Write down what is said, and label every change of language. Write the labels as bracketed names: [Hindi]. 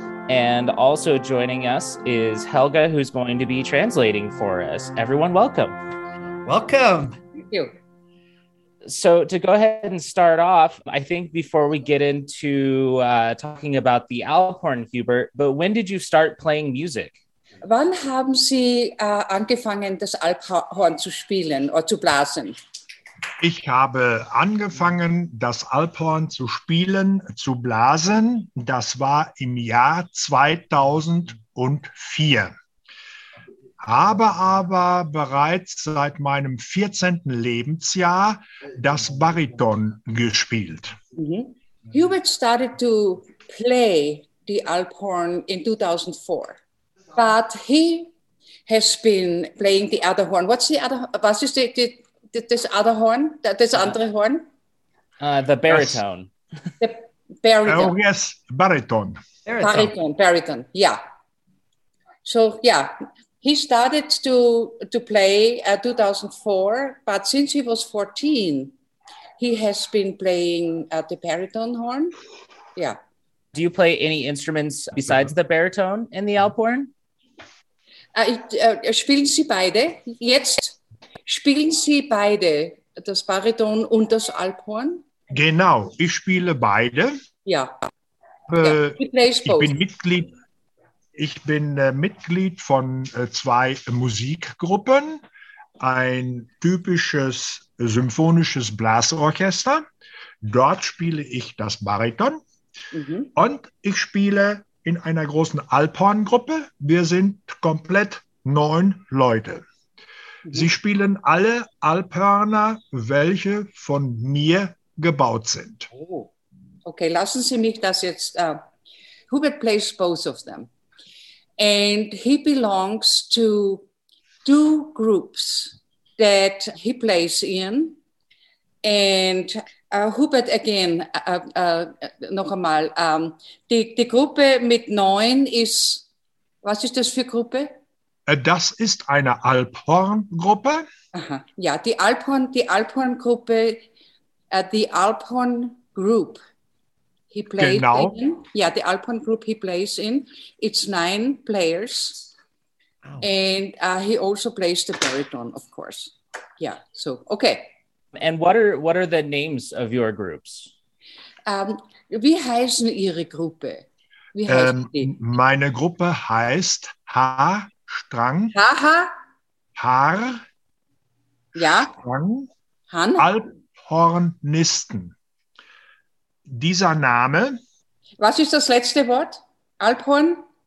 [English] And also joining us is Helga, who's going to be translating for us. Everyone, welcome. Welcome. Thank you. So to go ahead and start off, I think before we get into talking about the Alporn, Hubert, but when did you start playing music? [German] Wann haben Sie angefangen, das Alphorn zu spielen oder zu blasen? Ich habe angefangen, das Alphorn zu spielen, zu blasen. Das war im Jahr 2004. Habe aber bereits seit meinem 14. Lebensjahr das Bariton gespielt. Mm-hmm. [English] Hubert started to play the Alphorn in 2004. But he has been playing the other horn. What's the other? [German] Was ist das andere Horn? Das andere Horn? [English] The baritone. The baritone. Oh yes, bariton. Bariton, bariton. Yeah. So yeah, he started to play in 2004. But since he was 14, he has been playing the baritone horn. Yeah. Do you play any instruments besides the baritone in the Alphorn? [German] Spielen Sie beide? Jetzt spielen Sie beide das Bariton und das Alphorn? Genau, ich spiele beide. Ja. Ich bin Mitglied von zwei Musikgruppen, ein typisches symphonisches Blasorchester. Dort spiele ich das Bariton. Mhm. Und ich spiele in einer großen Alphorn-Gruppe. Wir sind komplett 9 Leute. Sie spielen alle Alphörner, welche von mir gebaut sind. Oh. Okay, lassen Sie mich das jetzt. [English] Hubert plays both of them. And he belongs to 2 groups that he plays in. And Hubert, again, [German] noch einmal, die Gruppe mit 9 ist, was ist das für Gruppe? Das ist eine Alphorn-Gruppe. Aha. Ja, die Alphorn-Gruppe, die [English] Alphorn-Group he plays [German] genau. [English] in. [German] Ja, die [English] Alphorn-Group he plays in. It's 9 players. Oh. And he also plays the baritone, of course. Yeah, so, okay. And what are the names of your groups? [German] Wie heißen Ihre Gruppe? Wie heißt die? Meine Gruppe heißt H-Strang. Ha-ha. Haar. Ja. Strang. Han. Alphornisten. Dieser Name. Was ist das letzte Wort? Alphorn?